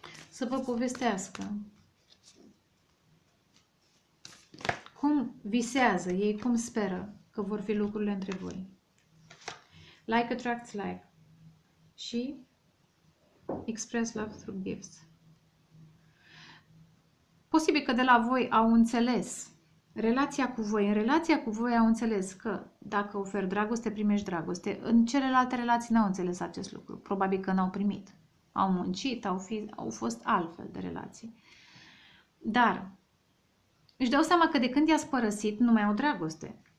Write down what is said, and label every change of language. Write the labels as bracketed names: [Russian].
[Romanian] să vă povestească cum visează ei, cum speră că vor fi lucrurile între voi. [English] Like attracts like. [Romanian] Și [English] express love through gifts. [Romanian] Posibil că de la voi au înțeles relația cu voi. În relația cu voi au înțeles că dacă ofer dragoste, primești dragoste. În celelalte relații n-au înțeles acest lucru. Probabil că n-au primit. Au muncit, au fost altfel de relații. Dar își dau seama că de când i-ați părăsit, nu mai au dragoste.